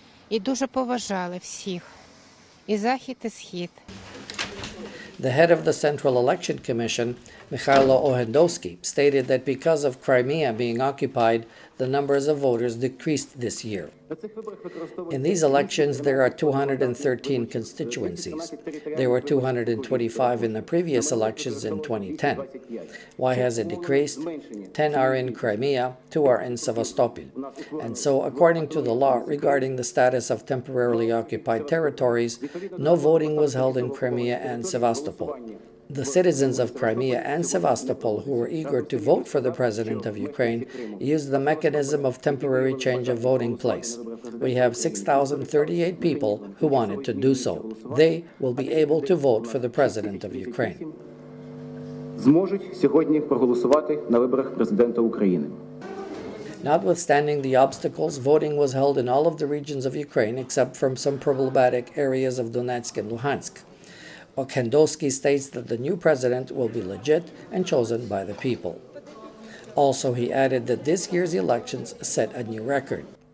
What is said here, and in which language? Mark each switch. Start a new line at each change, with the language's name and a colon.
Ukrainian: І дуже поважали всіх, і захід, і схід.
English: The head of the Central Election Commission, Mykhailo Ohendovsky, stated that because of Crimea being occupied, the numbers of voters decreased this year. In these elections, there are 213 constituencies. There were 225 in the previous elections in 2010. Why has it decreased? 10 are in Crimea, 2 are in Sevastopol. And so, according to the law regarding the status of temporarily occupied territories, no voting was held in Crimea and Sevastopol. The citizens of Crimea and Sevastopol, who were eager to vote for the president of Ukraine, used the mechanism of temporary change of voting place. We have 6,038 people who wanted to do so. They will be able to vote for the president of Ukraine.
Ukrainian: Зможуть сьогодні проголосувати на виборах президента України.
English: Notwithstanding the obstacles, voting was held in all of the regions of Ukraine except from some problematic areas of Donetsk and Luhansk. Okhendovsky states that the new president will be legit and chosen by the people. Also, he added that this year's elections set a new record.